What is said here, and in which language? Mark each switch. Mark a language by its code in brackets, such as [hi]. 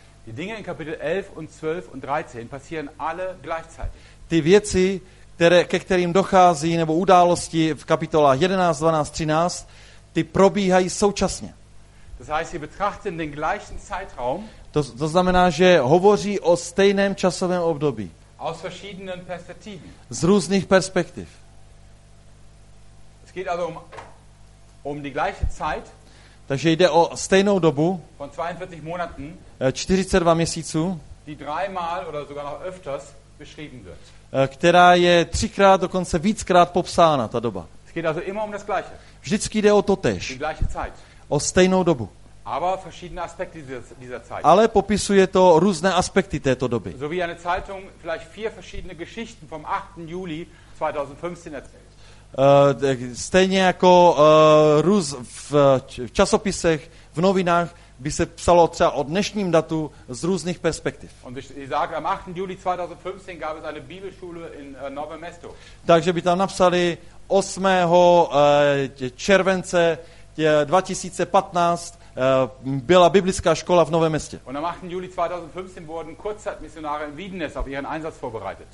[de] Die Dinge in Kapitel 11 und 12 und 13 passieren alle gleichzeitig. [cs] Ty věci, ke kterým dochází, nebo události v kapitolách 11, 12, 13, ty probíhají současně. [de] Das heißt, sie betrachten den gleichen Zeitraum. [cs] To znamená, že hovoří o stejném časovém období. [de] Aus verschiedenen Perspektiven. [cs] Z různých perspektiv. [de] Es geht also um die gleiche Zeit. [cs] Takže jde o stejnou dobu. [de] Von 42 Monaten. [cs] 42 měsíců. [de] Die dreimal oder sogar noch öfters beschrieben wird. [cs] Která je třikrát, dokonce víckrát popsána ta doba. [de] Es geht also immer um das Gleiche. [cs] Vždycky jde o to též. [de] Die gleiche Zeit. [cs] O stejnou dobu. [de] Aber verschiedene Aspekte dieser Zeit. [cs] Ale popisuje to různé aspekty této doby. [de] So wie eine Zeitung vielleicht vier verschiedene Geschichten vom 8. Juli 2015 erzählt. [cs] Stejně jako v časopisech, v novinách by se psalo třeba o dnešním datu z různých perspektiv. [de] Und ich sage, am 8. Juli 2015 gab es eine Bibelschule in Novém Mestu. [cs] Takže by tam napsali 8. července 2015 byla biblická škola v Novém Městě. [de] Und am 8. Juli 2015 wurden Kurzzeitmissionare in Wiedenes auf ihren Einsatz vorbereitet.